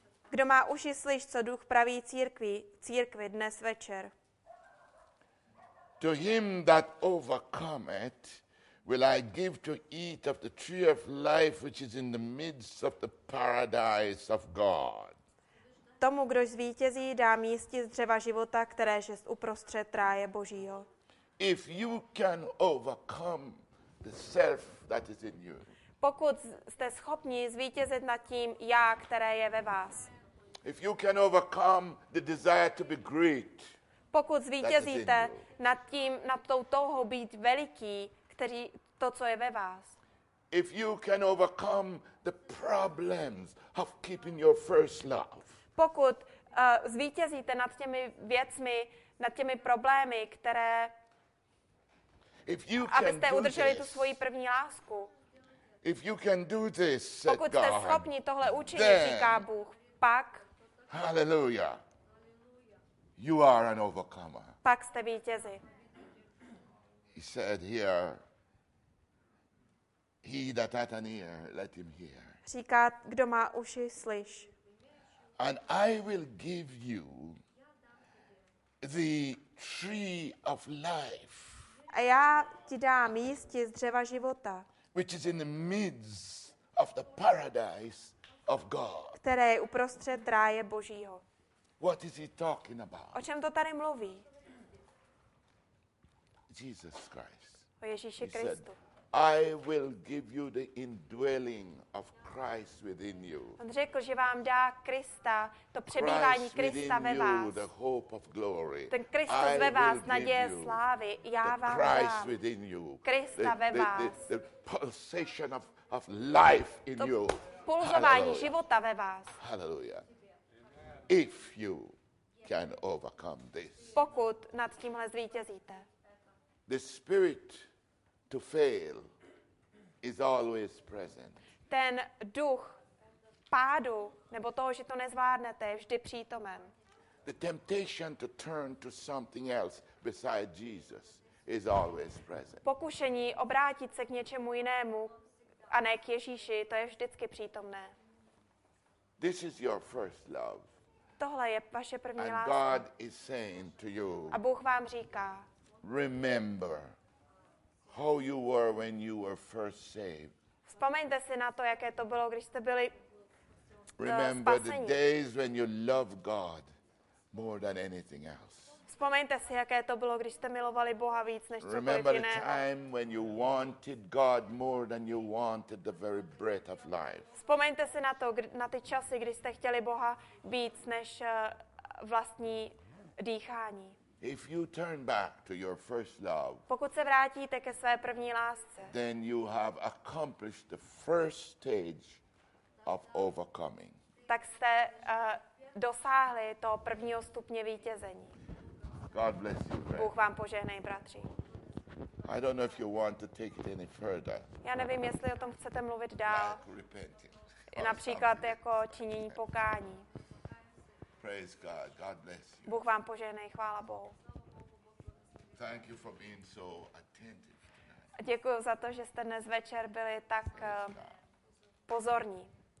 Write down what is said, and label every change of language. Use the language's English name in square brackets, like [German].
[Czech] Kdo má uši, slyš, co duch praví církvi dnes večer. [English] To him that overcometh will I give to eat of the tree of life which is in the midst of the paradise of God. [Czech] Tomu, kdo zvítězí, dám jísti z dřeva života, které je uprostřed ráje Božího. [English] If you can overcome the self that is in you. [Czech] Pokud jste schopni zvítězit nad tím já, které je ve vás. [English] If you can overcome the desire to be great. [Czech] Pokud zvítězíte nad tím, nad tou touhou být veliký, to, co je ve vás. [English] If you can overcome the problems of keeping your first love. [Czech] Pokud zvítězíte nad těmi věcmi, nad těmi problémy, které abyste udrželi tu svoji první lásku. [English] If you can do this, [Czech] pokud jste schopni tohle učinit, říká Bůh, pak [English] hallelujah, you are an overcomer. [Czech] Pak jste vítězi. [English] He said here, he that hath an ear, let him hear. [Czech] Říká, kdo má uši, slyš. [English] And I will give you the tree of life. [Czech] A já ti dám jísti z dřeva života. [English] Which is in the midst of the paradise of God. [Czech] Které je uprostřed ráje Božího. [English] What is he talking about? [Czech] O čem to tady mluví? [English] Jesus Christ. [Czech] O Ježíši Kristu. [English] Said, I will give you the indwelling of Christ within you. [Czech] On řekl, že vám dá Krista, to přebývání Krista ve vás. [English] The hope of glory. [Czech] Ten Kristus ve vás, naděje slávy, já vám dám. [English] Christ within you. [Czech] Krista ve vás. [English] The pulsation of life in you. [Czech] To pulzování života ve vás. [English] Hallelujah. If you can overcome this. [Czech] Pokud nad tímhle zvítězíte. [English] The Spirit to fail is always present. [Czech] Ten duch pádu nebo toho, že to nezvládnete, je vždy přítomen. [English] The temptation to turn to something else besides Jesus is always present. [Czech] Pokušení obrátit se k něčemu jinému a ne k Ježíši, to je vždycky přítomné. [English] This is your first love. [Czech] Tohle je vaše první [English] and [Czech] láska. [English] And God is saying to you. [Czech] A Bůh vám říká. [English] Remember how you were when you were first saved. [Czech] Vzpomeňte si na to, jaké to bylo, když jste byli spasení. [English] Remember the days when you loved God more than anything else. [Czech] Vzpomeňte si, jaké to bylo, když jste milovali Boha víc než cokoliv jiného. [English] Remember the time when you wanted God more than you wanted the very breath of life. [Czech] Vzpomeňte si na to, na ty časy, kdy jste chtěli Boha víc než vlastní dýchání. [English] If you turn back to your first love, [Czech] pokud se vrátíte ke své první lásce, [English] then you have accomplished the first stage of overcoming. [Czech] Tak jste dosáhli toho prvního stupně vítězení. [English] God bless you, brother. [Czech] Bůh vám požehnej, bratři. [English] I don't know if you want to take it any further. [Czech] Já nevím, jestli o tom chcete mluvit dál. [English] Like [Czech] například jako činění pokání. [English] Praise God. God bless you. [Czech] Bůh vám požehnej, chvála Bohu. [English] Thank you for being so attentive tonight. [Czech] Děkuju za to, že jste dnes večer byli tak pozorní.